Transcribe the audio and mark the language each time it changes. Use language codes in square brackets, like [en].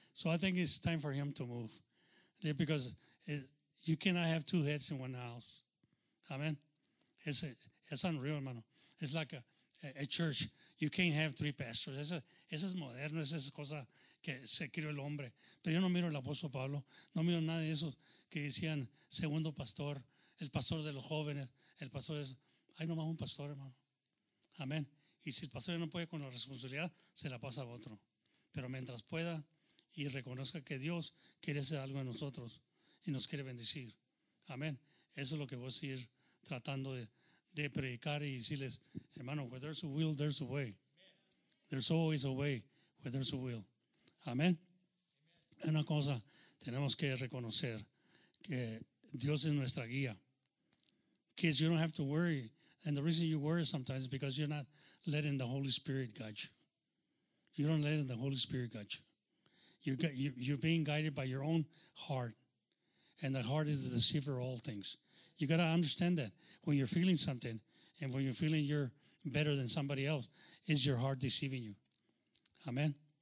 [en] So I think it's time for him to move. Because you cannot have two heads in one house. Amen. It's unreal, [es] hermano. [en] It's like a church. You can't have three pastors. [es] Eso es moderno. Esa es cosa que se crió el hombre. Pero yo no miro al apóstol Pablo. No miro nada de eso que decían segundo pastor, el pastor de los jóvenes, el pastor de eso. Hay nomás un pastor, hermano. Amén. Y si el pastor ya no puede con la responsabilidad, se la pasa a otro. Pero mientras pueda y reconozca que Dios quiere hacer algo en nosotros y nos quiere bendecir. Amén. Eso es lo que voy a seguir tratando de predicar y decirles, hermano, [en] where there's a will, there's a way. [es] There's always a way where there's a will. Amén. Una cosa, tenemos que reconocer que Dios es nuestra guía. [en] Kids, you don't have to worry. And the reason you worry sometimes is because you're not letting the Holy Spirit guide you. You don't let the Holy Spirit guide you. You're being guided by your own heart. And the heart is the deceiver of all things. You got to understand that when you're feeling something and when you're feeling you're better than somebody else, is your heart deceiving you? Amen?